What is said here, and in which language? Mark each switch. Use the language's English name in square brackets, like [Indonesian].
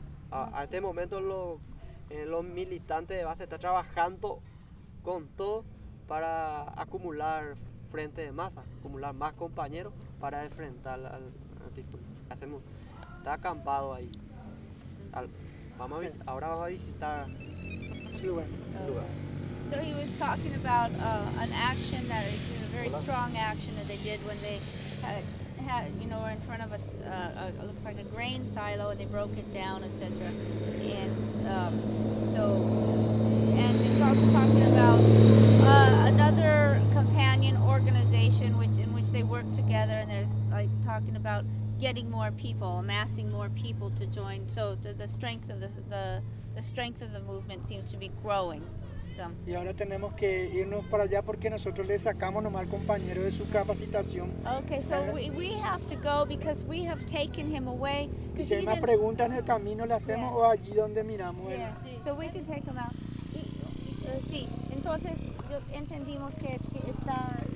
[Spanish] A este momento los militantes de base están trabajando con todo para acumular frente de masa, acumular más compañeros para enfrentar al hacemos, está acampado ahí. [English] So he was talking about an action that is a very strong action that they did when they had you know, were in front of a looks like a grain silo, and they broke it down, etc. And he was also talking about another companion organization in which they work together, and there's like talking about getting more people, amassing more people to join. So the strength of the movement seems to be growing. So. [Spanish] Y ahora tenemos que irnos para allá porque nosotros le sacamos nomás al compañero de su capacitación. [English] Okay, so we have to go because we have taken him away. [Spanish] Y si hay más preguntas en el camino le hacemos o allí donde miramos. [English] Yeah. So we can take him out. [Spanish] Sí, entonces entendimos que está